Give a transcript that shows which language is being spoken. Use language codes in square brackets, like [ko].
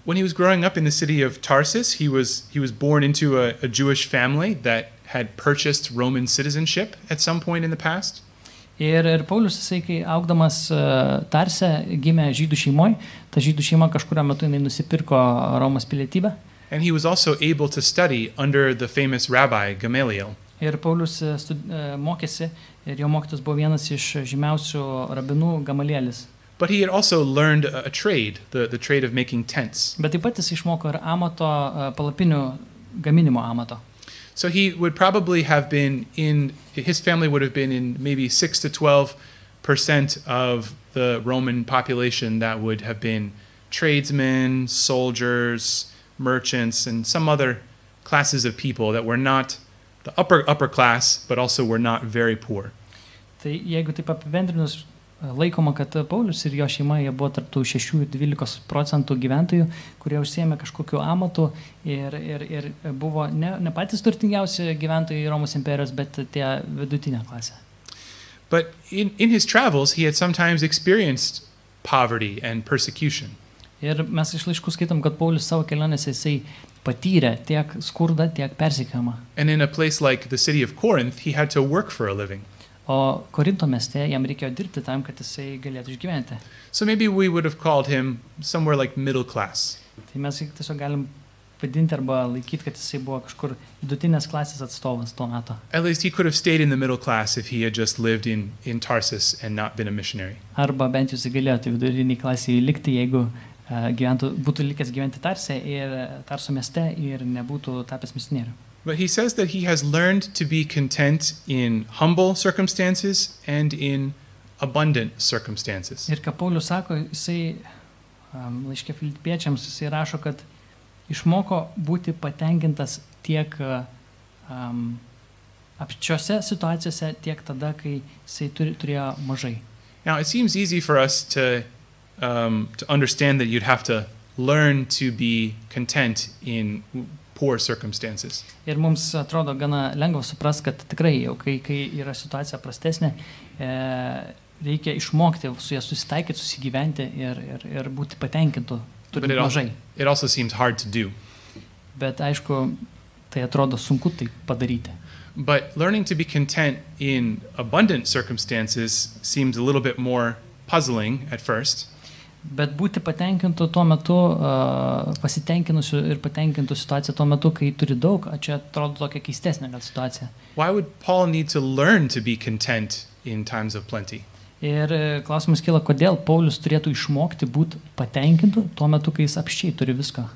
[en] When he was growing up in the city of Tarsus, he was born into a Jewish family that had purchased Roman citizenship at some point in the past. [lt] Ir Paulius jisai, kai augdamas Tarse, gimė žydų šeimoj. Ta žydų šeima kažkurio metu jinai nusipirko Romos pilietybę. [en] And he was also able to study under the famous rabbi Gamaliel. [lt] Ir Paulius mokėsi, ir jo mokytas buvo vienas iš žymiausių rabinų, Gamalielis. [en] But he had also learned a trade, the trade of making tents. [lt] Bet taip pat jis išmoko ir amato, palapinių gaminimo amato. [en] So he would probably have been in, his family would have been in maybe 6 to 12% of the Roman population that would have been tradesmen, soldiers, merchants and some other classes of people that were not the upper class, but also were not very poor. [lt] Tai jeigu taip apibendrinus, laikoma, kad Paulius ir jo šeima, jie buvo tarp tų 6-12% gyventojų, kurie užsiėmė kažkokiu amatu ir buvo ne patys turtingiausi gyventojai Romos imperijos, bet tie vidutinė klasė. [en] But in his travels, he had sometimes experienced poverty and persecution. [lt] Ir mes iš laiškų skaitom, kad Paulius savo kelionėse jisai patyrė tiek skurdą, tiek persekiojimą. [en] And in a place like the city of Corinth, he had to work for a living. [lt] O Korinto mieste jam reikėjo dirbti tam, kad jisai galėtų išgyventi. [en] So maybe we would have called him somewhere like middle class. [lt] Tai mes jį tiesiog galim vadinti arba laikyti, kad jisai buvo kažkur vidutinės klasės atstovas tuo metu. [en] At least he could have stayed in the middle class if he had just lived in Tarsus and not been a missionary. [lt] Arba bent jau jisai galėtų vidurinį klasį likti, jeigu būtų likęs gyventi Tarse ir Tarso mieste ir nebūtų tapęs misionieriu. [en] But he says that he has learned to be content in humble circumstances and in abundant circumstances. [lt] Ir ką Paulius sako, jisai laiškė Filipiečiams, jisai rašo, kad išmoko būti patenkintas tiek apčiose situacijose, tiek tada, kai jisai turėjo mažai. [en] Now it seems easy for us to understand that you'd have to learn to be content in poor circumstances. [lt] Ir mums atrodo gana lengva suprast, kad tikrai jau kai yra situacija prastesnė, reikia išmokti su ja susitaikyti, susigyventi ir būti patenkintu turint mažai. [en] It also seems hard to do. [lt] Bet aišku, tai atrodo sunku tai padaryti. [en] But learning to be content in abundant circumstances seems a little bit more puzzling at first. [lt] Bet būti patenkintu tuo metu, pasitenkinusiu ir patenkintu situaciją tuo metu, kai turi daug, čia atrodo tokia keistesnė gal situacija. [en] Why would Paul need to learn to be content in times of plenty? [lt] Ir klausimas kyla, kodėl Paulius turėtų išmokti būti patenkintu tuo metu, kai jis apščiai turi viską.